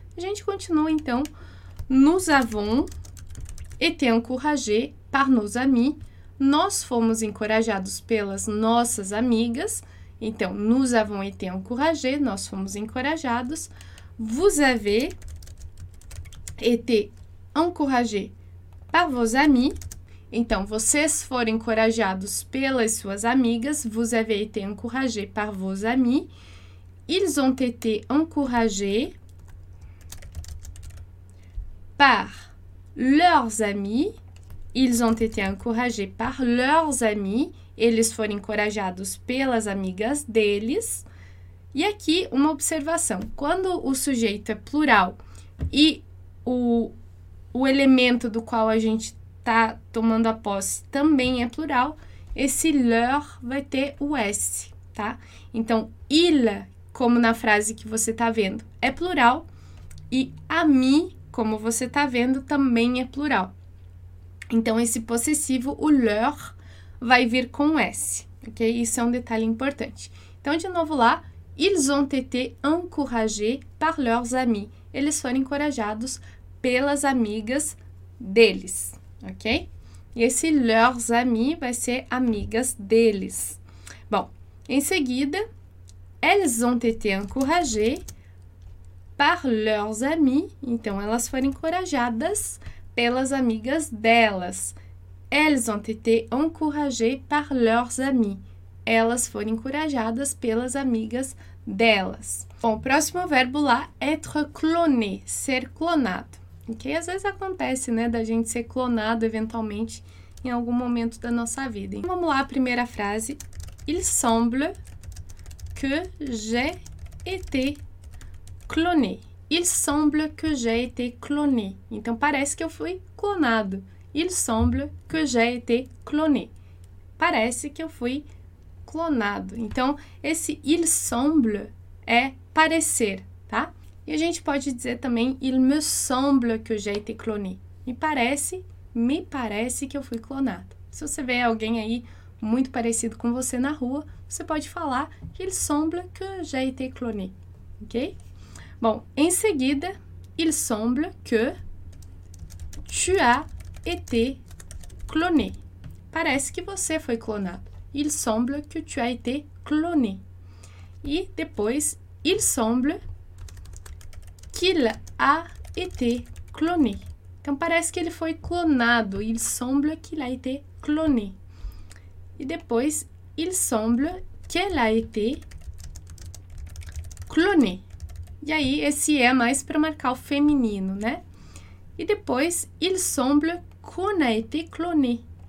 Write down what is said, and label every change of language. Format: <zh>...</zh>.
<pt>A gente continua, então,</pt> <fr>nous avons été encouragé par nos amis.</fr> <pt>Nós fomos encorajados pelas nossas amigas. Então,</pt> <fr>nous avons été encouragé,</fr> <pt>nós fomos encorajados.</pt> <fr>Vous avez été encouragé par vos amis.</fr> <pt>Então, vocês foram encorajados pelas suas amigas.</pt> <fr>Vous avez été encouragé par vos amis. Ils ont été encouragés par leurs amis. Ils ont été encouragés par leurs amis.</fr> <pt>Eles foram encorajados pelas amigas deles. E aqui, uma observação. Quando o sujeito é plural e o elemento do qual a gente está tomando a posse também é plural, esse leur vai ter o S, tá? Então, il, como na frase que você está vendo, é plural, e ami, como você está vendo, também é plural. Então, esse possessivo, o leur, vai vir com S, ok? Isso é um detalhe importante. Então, de novo lá,</pt> <fr>ils ont été encouragés par leurs amis.</fr> <pt>Eles foram encorajados pelas amigas deles. Ok? Esse leurs amis vai ser amigas deles. Bom, em seguida,</pt> <fr>elles ont été encouragées par leurs amis.</fr> <pt>Então, elas foram encorajadas pelas amigas delas.</pt> <fr>Elles ont été encouragées par leurs amis.</fr> <pt>Elas foram encorajadas pelas amigas delas. Bom, o próximo verbo lá, être cloné, ser clonado. Que às vezes acontece, né, da gente ser clonado eventualmente em algum momento da nossa vida. Então, vamos lá, a primeira frase.</pt> <fr>Il semble que j'ai été cloné. Il semble que j'ai été cloné.</fr> <pt>Então, parece que eu fui clonado.</pt> <fr>Il semble que j'ai été cloné.</fr> <pt>Parece que eu fui clonado. Então, esse il semble é parecer, tá? E a gente pode dizer também,</pt> <fr>il me semble que j'ai été cloné.</fr> <pt>Me parece que eu fui clonado. Se você vê alguém aí muito parecido com você na rua, você pode falar,</pt> <fr>il semble que j'ai été cloné,</fr> <pt>ok? Bom, em seguida,</pt> <fr>il semble que tu as été cloné.</fr> <pt>Parece que você foi clonado.</pt> <fr>Il semble que tu as été cloné.</fr> <pt>E depois,</pt> <fr>il semble qu'il a été cloné.</fr> <pt>Então, parece que ele foi clonado.</pt> <fr>Il semble qu'il a été cloné.</fr> <pt>E depois,</pt> <fr>il semble qu'elle a été cloné.</fr> <pt>E aí, esse é mais para marcar o feminino, né? E depois,</pt> <fr>il semble qu'on a été cloné.</fr>